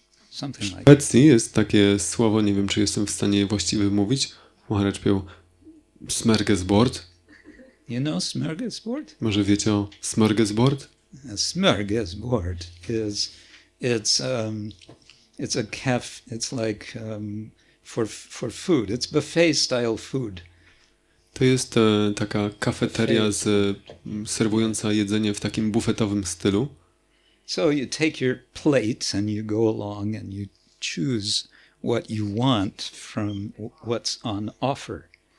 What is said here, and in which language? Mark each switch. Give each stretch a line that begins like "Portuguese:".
Polish: W Szwecji jest takie słowo, nie wiem, czy jestem w stanie je właściwie mówić. Maharaj powiedział smörgåsbord.
English: You know smörgåsbord?
Polish: Może wiecie o smörgåsbord?
English: Smörgåsbord is it's a cafe, it's like for food. It's buffet style food.
Polish: To jest taka kafeteria serwująca jedzenie w takim bufetowym stylu.
English: So you take your plate and you go along and you choose what you want from what's on offer.